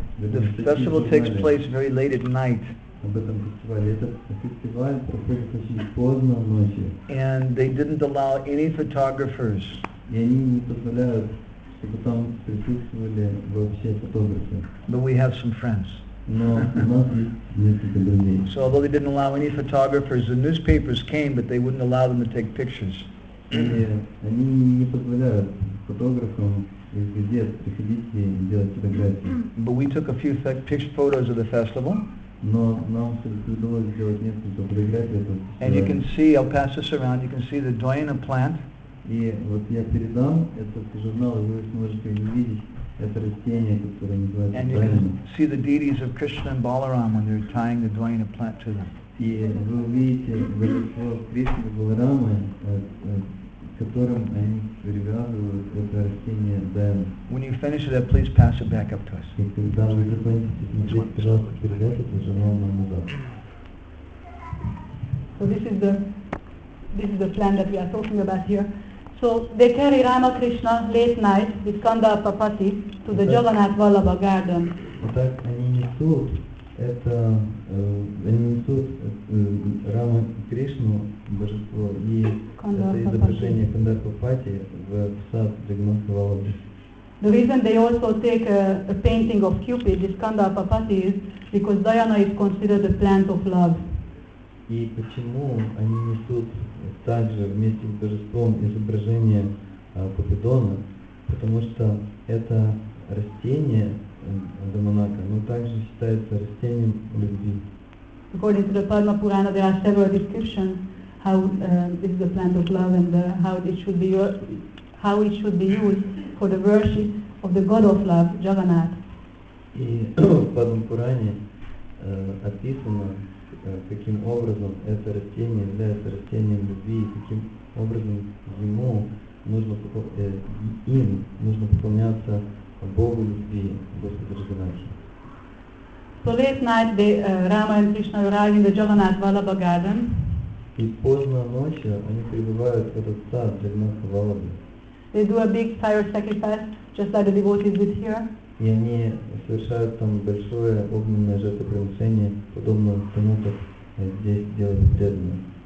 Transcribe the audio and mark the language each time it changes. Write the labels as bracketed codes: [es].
[en] The festival takes place very late at night. [ru] Об этом фестивале. Этот фестиваль проходит очень поздно ночью. [en] And they didn't allow any photographers. [ru] И они не позволяют, чтобы там присутствовали вообще фотографы. [en] But we have some friends. [ru] Но несколько друзей. [en] So although they didn't allow any photographers, the newspapers came, but they wouldn't allow them to take pictures. [ru] Они не позволяют фотографам из газет приходить и делать фотографии. [en] But we took a few photos of the festival. [ru] Но нам удалось сделать несколько фотографий этого фестиваля. [en] And you can see, I'll pass this around. You can see the Dayana plant. [ru] И вот я передам этот журнал, вы сможете увидеть. Это растение, которое называется [en] And you can see the deities of Krishna and Balaram when they're tying the Dvaina plant to them. [ru] И вы увидите божество Кришны и Баларамы, которым они привязывают это растение Дайана. [en] When you finish that, please pass it back up to us. [ru] И когда вы закончите, смотрите, пожалуйста, передайте это журнал нам назад. [en] So this is the plant that we are talking about here. So they carry Rama Krishna late night with Kandarpapati to the Jagannath Vallabha Garden. [ru] Итак, они несут это, они несут Рама Кришну божество и это изображение Кандарпапати в сад Джаганнатха Валлабхи. [en] The reason they also take a painting of Cupid with Kandarpapati is because Dayana is considered the plant of love. [ru] И почему они несут также вместе с божеством изображение Купидона, потому что это растение Даманака, но также считается растением любви. [en] According to the Padma Purana, there are several descriptions how this is the plant of love and how it should be used for the worship of the god of love, Jagannath. [ru] И в Падма Пуране описано, каким образом это растение является растением любви, каким образом ему нужно им нужно поклоняться Богу любви, Господу Джаганнатхи. [en] So late night they Rama and Krishna arrive in the Jagannath Vallabha Garden. [ru] И поздно ночью они прибывают в этот сад Джаганнатха Валлабхи. [en] They do a big fire sacrifice, just like the devotees did here. [ru] И они совершают там большое огненное жертвоприношение, подобно тому, как здесь делают преданные.